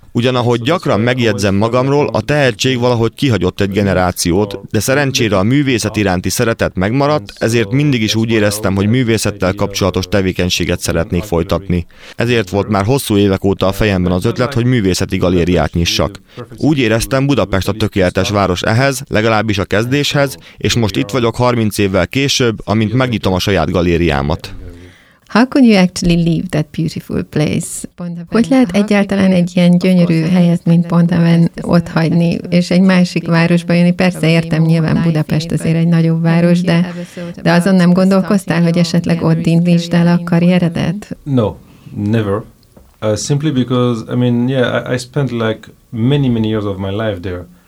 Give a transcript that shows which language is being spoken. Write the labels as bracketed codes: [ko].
[hu] Ugyanahogy gyakran megjegyzem magamról, a tehetség valahogy kihagyott egy generációt, de szerencsére a művészet iránti szeretet megmaradt, ezért mindig is úgy éreztem, hogy művészettel kapcsolatos tevékenységet szeretnék folytatni. Ezért volt már hosszú évek óta a fejemben az ötlet, hogy művészeti galériát nyissak. Úgy éreztem, Budapest a tökéletes város ehhez, legalábbis a kezdéshez, és most itt vagyok 30 évvel később, amint megnyitom a saját galériámat. [en] How can you actually leave that beautiful place? [hu] Hogy lehet egyáltalán egy ilyen gyönyörű helyet, mint Pont-Aven ott hagyni, és egy másik városba jönni? Persze értem, nyilván Budapest azért egy nagyobb város, de azon nem gondolkoztál, hogy esetleg ott indítsd el a karrieredet? [en] No, never. Simply because, I mean, yeah, I spent like many, many years of my life there.